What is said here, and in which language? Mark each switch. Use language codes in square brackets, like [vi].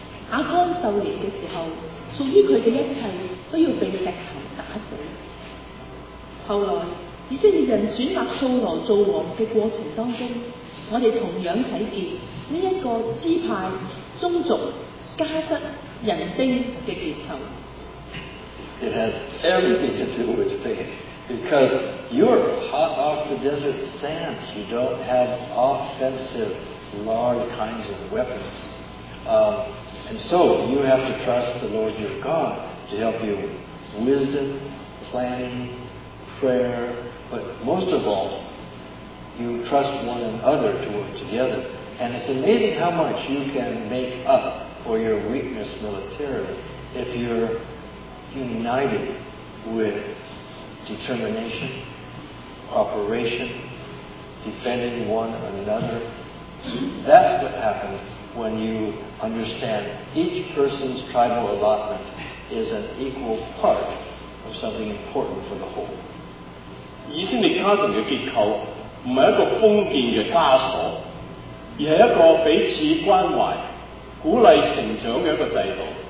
[zh] 亚干受年的时候，属于他的一切都要被石头打死。后来以色列人选立扫罗做王的过程当中，我们同样看见这一个支派、宗族、家室、人丁的结构。 [en] It has everything to do with faith, because you're hot off the desert sands. You don't have offensive, large kinds of weapons. And so you have to trust the Lord your God to help you with wisdom, planning, prayer. But most of all, you trust one another to work together. And it's amazing how much you can make up for your weakness militarily if you're... united with determination, cooperation, defending one another. That's what happens when you understand each person's tribal allotment is an equal part of something important for the whole. [zh] 以色列家庭的结构不是一个封建的枷锁，而是一个彼此关怀、鼓励成长的一个制度。